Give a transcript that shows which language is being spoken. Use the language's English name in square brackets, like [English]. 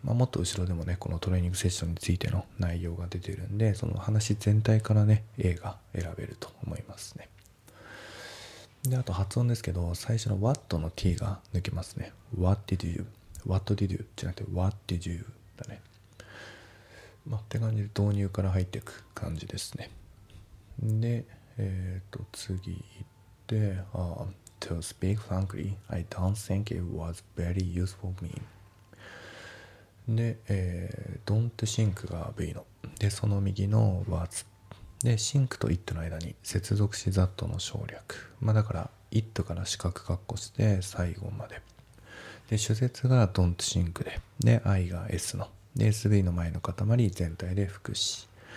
[Japanese] まあ、もっと後ろでもね、このトレーニングセッションについての内容が出てるんで、その話全体からね、 A が選べると思いますね。で、あと発音ですけど、最初の what の t が抜けますね。 [English] what did you? what did you? [Japanese] じゃなくて [English] what did you? [Japanese] だね。まあ、って感じで導入から入っていく感じですね。で、次行って、 [English] to speak frankly, I don't think it was very useful for me. [Japanese] で、don't think が V の。で、その右の was。で、シンクとイットの間に接続詞ザットの省略。まあ、だから、イットから四角括弧して最後まで。で、主節がドンとシンクで。で、I が S の。で、SV の前の塊全体で副詞。